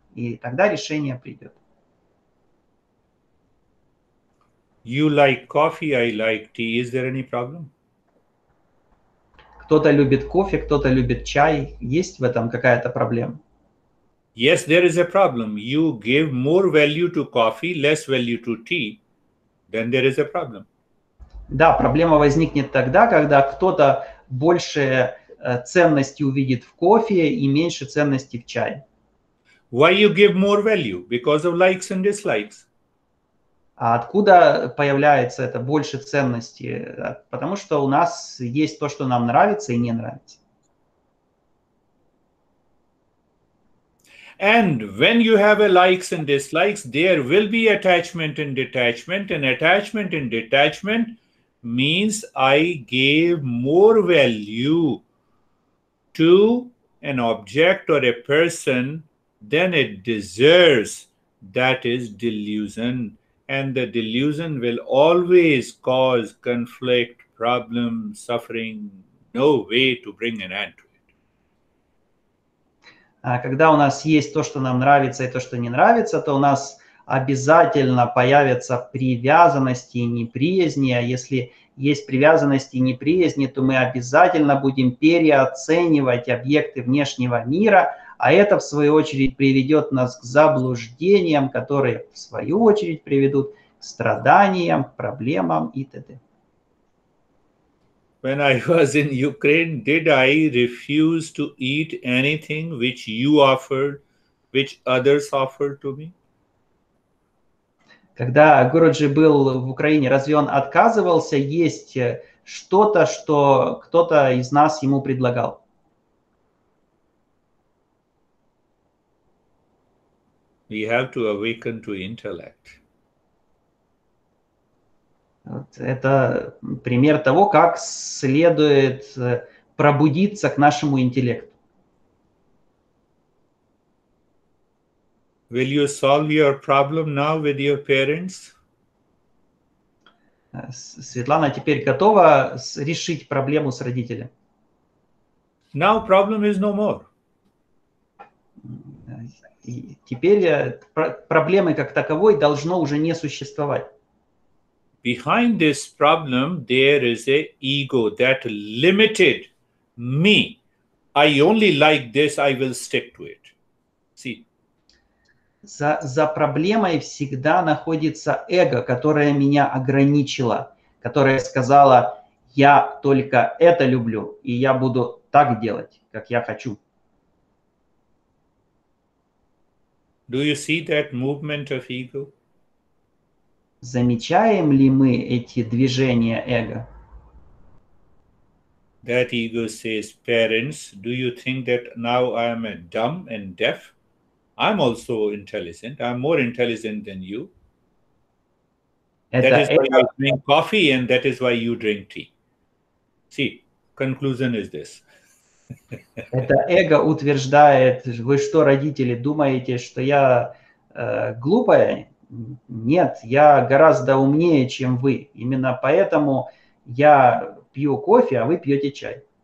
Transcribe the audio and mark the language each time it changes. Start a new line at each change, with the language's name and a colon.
Russian: И тогда решение придет.
English: You like coffee, I like tea. Is there any problem?
Russian: Кто-то любит кофе, кто-то любит чай. Есть в этом какая-то проблема?
English: Yes, there is a problem. You give more value to coffee, less value to tea. Then there is a problem.
Russian: Да, проблема возникнет тогда, когда кто-то больше ценности увидит в кофе и меньше ценности в чае.
English: Why you give more value? Because of likes and dislikes.
Russian: А откуда появляется это больше ценности? Потому что у нас есть то, что нам нравится и не нравится.
English: And when you have a likes and dislikes, there will be attachment and detachment. And attachment and detachment means I gave more value to an object or a person than it deserves. That is delusion. And the delusion will always cause conflict, problem, suffering. No way to bring an end to it.
Russian: Когда у нас есть то, что нам нравится, и то, что не нравится, то у нас обязательно появятся привязанности и неприязни. А если есть привязанности и неприязни, то мы обязательно будем переоценивать объекты внешнего мира. А это, в свою очередь, приведет нас к заблуждениям, которые, в свою очередь, приведут к страданиям, к проблемам и т.д.
English: When I was in Ukraine, did I refuse to eat anything which you offered, which others offered to me?
Russian: Когда Гуруджи был в Украине, разве он отказывался есть что-то, что кто-то из нас ему предлагал?
English: We have to awaken to intellect.
Russian: Вот это пример того, как следует пробудиться к нашему интеллекту.
English: Will you solve your problem now with your parents?
Russian: Светлана теперь готова решить проблему с родителями.
English: Now problem is no more.
Russian: И теперь проблемы как таковой должно уже не существовать.
English: Behind this problem there is a ego that limited me. I only like this, I will stick to it. See?
Russian: За проблемой всегда находится эго, которое меня ограничило, которое сказало, я только это люблю, и я буду так делать, как я хочу.
English: Do you see that movement of ego?
Russian: Замечаем ли мы эти движения эго?
English: That ego says, parents, do you think that now I am a dumb and deaf? I'm also intelligent. I'm more intelligent than you. That is why I drink coffee and that is why you drink tea. See, conclusion is this.
Russian: Это эго утверждает, вы что, родители, думаете, что я глупая? Нет, я гораздо умнее, чем вы. Именно поэтому я пью кофе, а вы пьете чай.